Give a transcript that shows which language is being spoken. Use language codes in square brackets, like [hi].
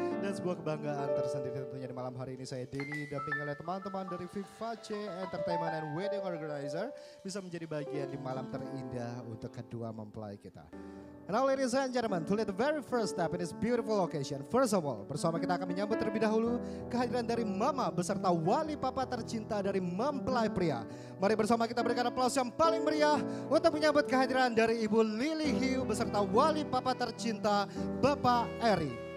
[id] Dan sebuah kebanggaan tersendiri tentunya di malam hari ini, saya Denny didampingi oleh teman-teman dari Vivace Entertainment and Wedding Organizer bisa menjadi bagian di malam terindah untuk kedua mempelai kita. [en] Now ladies and gentlemen, to lead the very first step in this beautiful occasion. First of all, [id] bersama kita akan menyambut terlebih dahulu kehadiran dari mama beserta wali papa tercinta dari mempelai pria. Mari bersama kita berikan aplaus yang paling meriah untuk menyambut kehadiran dari ibu Lily Hugh beserta wali papa tercinta Bapak Eri.